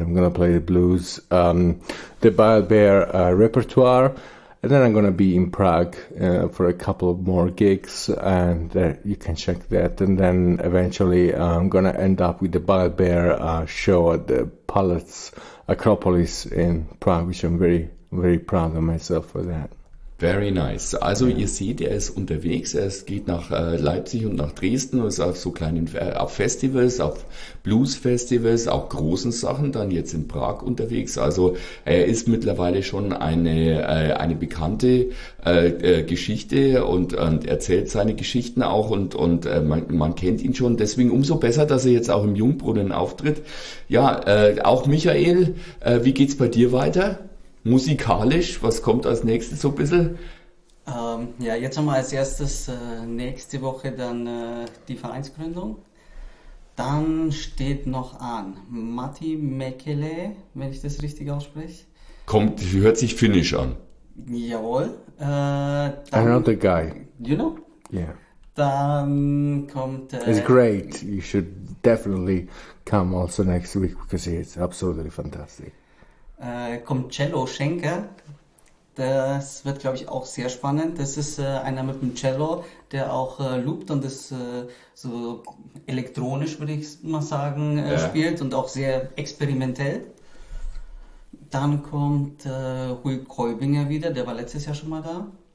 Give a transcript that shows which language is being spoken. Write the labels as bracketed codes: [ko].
[en] I'm going to play the blues, the Bile Bear repertoire, and then I'm going to be in Prague for a couple of more gigs, and you can check that. And then eventually I'm going to end up with the Bile Bear show at the Palace Acropolis in Prague, which I'm very, very proud of myself for that. Very nice. [de] Also ihr seht, er ist unterwegs, er geht nach Leipzig und nach Dresden und ist auf so kleinen auf Festivals, auf Blues-Festivals, auch großen Sachen, dann jetzt in Prag unterwegs. Also er ist mittlerweile schon eine bekannte Geschichte und erzählt seine Geschichten auch und man kennt ihn schon. Deswegen umso besser, dass er jetzt auch im Jungbrunnen auftritt. Ja, auch Michael, wie geht's bei dir weiter? Musikalisch, was kommt als nächstes so ein bisschen? Ja, jetzt haben wir als erstes nächste Woche dann die Vereinsgründung. Dann steht noch an Matti Mäkelä, wenn ich das richtig ausspreche. Kommt, hört sich finnisch an. Jawohl. Dann, [en] another guy. You know? Yeah. [de] Dann kommt... [en] It's great. You should definitely come also next week because it's absolutely fantastic. [de] Kommt Cello Schenker, Das wird, glaube ich, auch sehr spannend. Das ist einer mit dem Cello, der auch loopt und das so elektronisch, würde ich mal sagen, spielt und auch sehr experimentell. Dann kommt Rui Kolbinger wieder, der war letztes Jahr schon mal da.